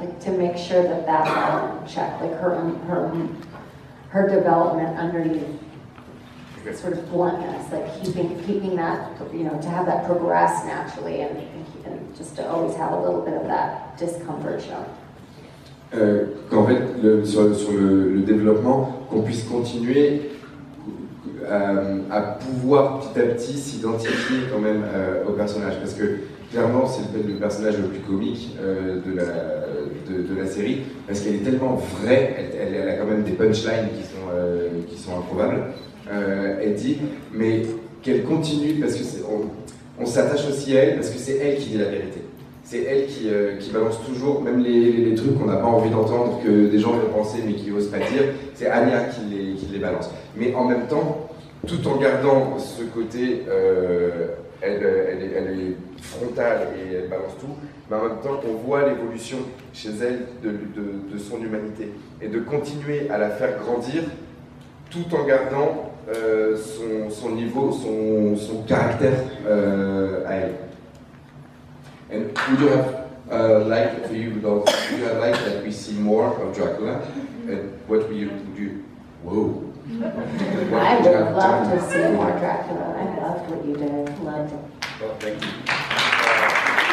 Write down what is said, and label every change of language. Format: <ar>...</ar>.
<en>Like to make sure that checked, like her development underneath. Sort of bluntness, like keeping that, you know, to have that progress naturally and just to always have a little bit of that discomfort show.</en> <fr>Qu'en fait, sur le développement, qu'on puisse continuer à pouvoir petit à petit s'identifier quand même au personnage, parce que clairement, c'est peut-être le personnage le plus comique de la série, parce qu'elle est tellement vraie, elle a quand même des punchlines qui sont improbables. Eddie, mais qu'elle continue, parce que c'est, on s'attache aussi à elle, parce que c'est elle qui dit la vérité. C'est elle qui balance toujours, même les trucs qu'on n'a pas envie d'entendre, que des gens vont penser mais qui n'osent pas dire, c'est Anya qui les balance. Mais en même temps, tout en gardant ce côté, elle est frontale et elle balance tout, mais en même temps, on voit l'évolution chez elle de son humanité. Et de continuer à la faire grandir, tout en gardant son niveau, son caractère à elle.</fr> <en>And would you have liked for you, would you have liked that we see more of Dracula? And what would you do? Whoa! I would love to see more Dracula. I loved what you did. Loved it. Well, thank you.</en>